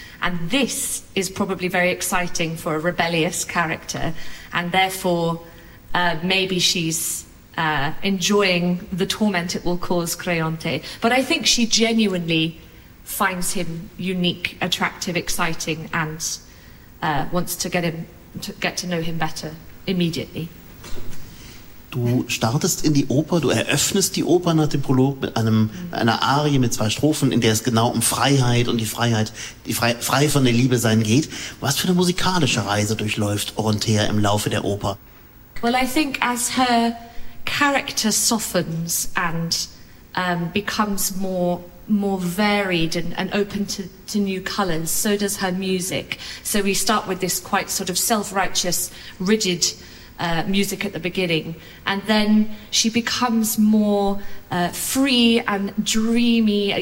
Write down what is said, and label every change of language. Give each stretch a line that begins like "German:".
English: And this is probably very exciting for a rebellious character, and therefore maybe she's enjoying the torment it will cause Creonte. But I think she genuinely finds him unique, attractive, exciting, and wants to get to know him better immediately.
German: Du startest in die Oper, du eröffnest die Oper nach dem Prolog mit einer Arie mit zwei Strophen, in der es genau um Freiheit und frei von der Liebe sein geht. Was für eine musikalische Reise durchläuft Orontea im Laufe der Oper?
English: Well, I think as her character softens and becomes more varied and open to new colors, so does her music. So we start with this quite sort of self-righteous, rigid music at the beginning, and then she becomes more free and dreamy.